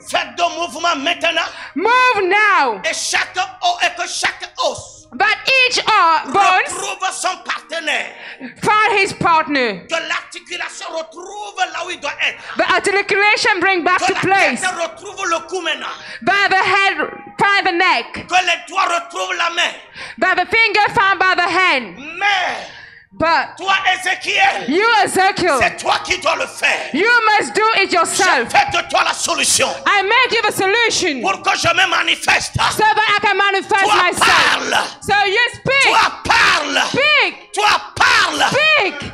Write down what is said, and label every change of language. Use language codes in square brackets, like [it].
[fr] Faites de mouvement maintenant. [en] Move now. [fr] Et chaque os. [en] But each bone. [fr] Retrouve son partenaire. [en] find his partner. [fr] Que l'articulation retrouve là où il doit être. [en] The articulation bring back [fr] que [en] to place. [fr] Que la tête retrouve le cou maintenant. [en] By the head, find the neck. [fr] Que les doigts retrouvent la main. [en] By the finger, found by the hand. [fr] Mais [en] but [fr] toi, Ezekiel, [en] you Ezekiel, [fr] c'est toi qui dois le faire. [en] You must do it yourself. [fr] Je fais de toi la solution. [en] I make you the solution. [fr] Pour que je me manifeste. [en] So that I can manifest [fr] toi [en] myself. [fr] Parle. [en] So you speak. [fr] Toi parle. [en] Speak. [fr] Toi parle. [en] Speak.